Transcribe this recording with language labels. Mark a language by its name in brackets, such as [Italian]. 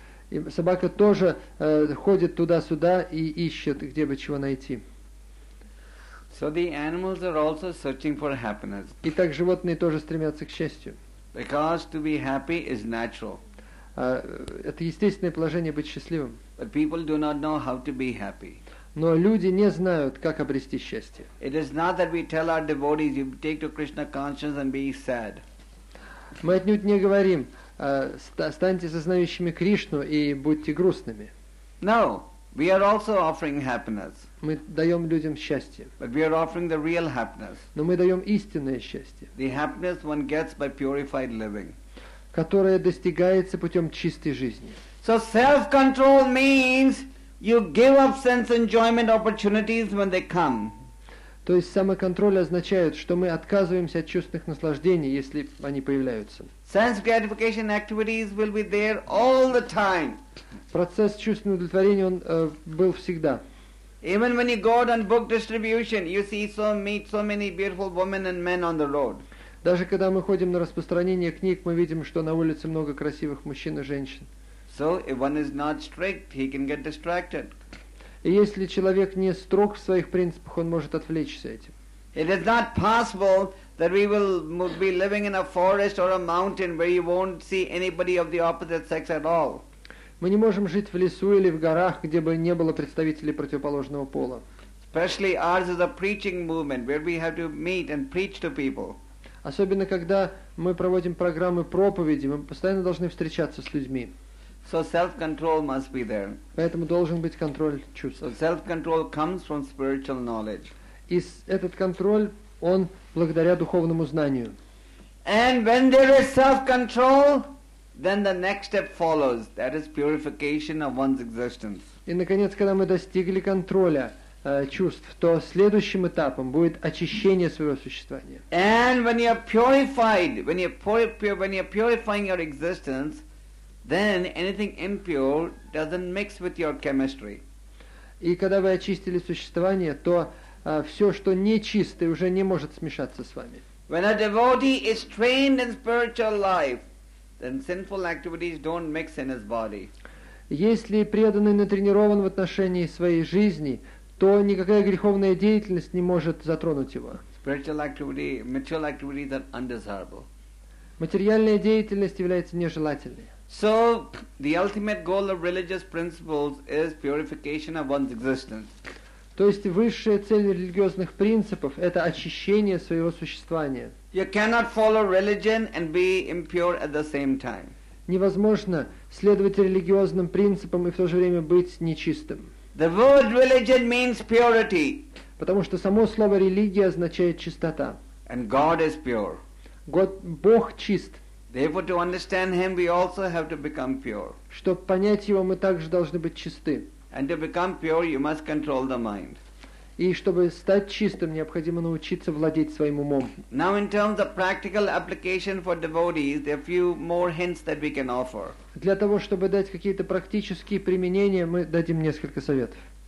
[Russian] И собака тоже ходит туда-сюда и ищет, где бы чего найти. [English] So the animals are also searching for happiness. [Russian] И так животные тоже стремятся к счастью. [English] Because to be happy is natural. [Russian] Это естественное положение быть счастливым. [English] But people do not know how to be happy. [Russian] Но люди не знают, как обрести счастье. [English] It is not that we tell our devotees, "You take to Krishna consciousness and be sad." [Russian] Мы отнюдь не говорим, станьте сознающими Кришну и будьте грустными. [English] No, we are also offering happiness. [Russian] Мы даем людям счастье. [English] But we are offering the real happiness. [Russian] Но мы даем истинное счастье. [English] The happiness one gets by purified living. [Russian] Которая достигается путем чистой жизни. [English] So self-control means you give up sense enjoyment opportunities when they come. [Russian] То есть самоконтроль означает, что мы отказываемся от чувственных наслаждений, если они появляются. [English] Sense gratification activities will be there all the time. [Russian] Процесс чувственного удовлетворения он был всегда. [English] Even when you go on book distribution, you see so meet so many beautiful women and men on the road. [Russian] Даже когда мы ходим на распространение книг, мы видим, что на улице много красивых мужчин и женщин. [English] So if one is not strict, he can get distracted. [Russian] И если человек не строг в своих принципах, он может отвлечься этим. [English] It is not possible that we will be living in a forest or a mountain where you won't see anybody of the opposite sex at all. [Russian] Мы не можем жить в лесу или в горах, где бы не было представителей противоположного пола. [English] Especially ours is a preaching movement where we have to meet and preach to people. [Russian] Особенно когда мы проводим программы проповеди, мы постоянно должны встречаться с людьми. [English] So self-control must be there. [Russian] Поэтому должен быть контроль чувств. [English] So self-control comes from spiritual knowledge. [Russian] И этот контроль, он благодаря духовному знанию. [English] And when there is self-control, then the next step follows. That is purification of one's existence. [Russian] И наконец, когда мы достигли контроля чувств, то следующим этапом будет очищение своего существования. [English] And when you are purified, when you are purifying your existence, then anything impure doesn't mix with your chemistry. [Russian] И когда вы очистили существование, то все, что нечистое, уже не может смешаться с вами. [English] When a devotee is trained in spiritual life, then sinful activities don't mix in his body. [Russian] Если преданный натренирован в отношении своей жизни, то никакая греховная деятельность не может затронуть его. [English] Spiritual activity, material activity is undesirable. [Russian] Материальная деятельность является нежелательной. [English] So the ultimate goal of religious principles is purification of one's existence. [Russian] То есть высшая цель религиозных принципов – это очищение своего существования. [English] You cannot follow religion and be impure at the same time. [Russian] Невозможно следовать религиозным принципам и в то же время быть нечистым. [English] The word religion means purity. [Russian] Потому что само слово религия означает чистота. [English] And God is pure. [Russian] Бог чист. [English] Therefore, to understand Him, we also have to become pure. [Russian] Чтобы понять Его, мы также должны быть чисты. [English] And to become pure, you must control the mind. [Russian] И чтобы стать чистым, необходимо научиться владеть своим умом. [English] Now, in terms of practical application for devotees, there are few more hints that we can offer. [Russian] Для того, чтобы дать какие-то практические применения, мы дадим несколько советов.